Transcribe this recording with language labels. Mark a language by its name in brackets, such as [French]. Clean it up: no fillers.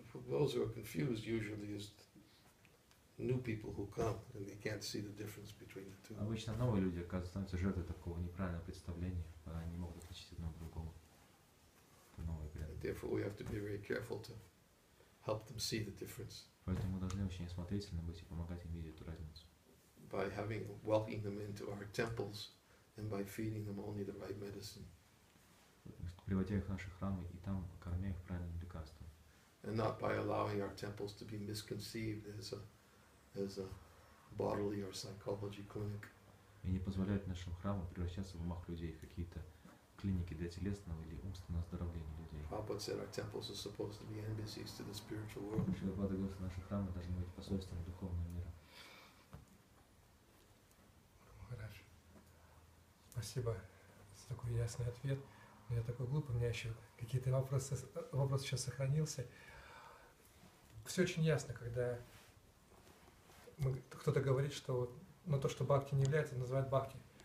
[English] Those who are confused usually is new people who come and they can't see the difference between the two. [Russian] Обычно новые люди оказываются жертвой такого неправильного представления, они не могут отличить одно от другого. [English] Therefore, we have to be very careful to help them see the difference. [Russian] Поэтому мы должны очень осмотрительно быть и помогать им видеть эту разницу. [English] By having welcoming them into our temples and by feeding them only the right medicine. [Russian] Приводя их в наши храмы и там кормя их правильным лекарством. [English] And not by allowing our temples to be misconceived as a bodily or psychology clinic. [Russian] И не позволять нашим храмам превращаться в умах людей в какие-то клиники для телесного или умственного оздоровления людей. [English] Prabhupada said our temples are supposed to be embassies to the spiritual world. [Russian] Прабхупада говорит, что наши храмы должны быть посольствами духовного мира. Хорошо. спасибо за такой ясный ответ. Я такой глупый, у меня еще какие-то вопросы сейчас сохранился. Все очень ясно, когда кто-то говорит, что вот, ну, то, что бхакти не является, называют бхакти.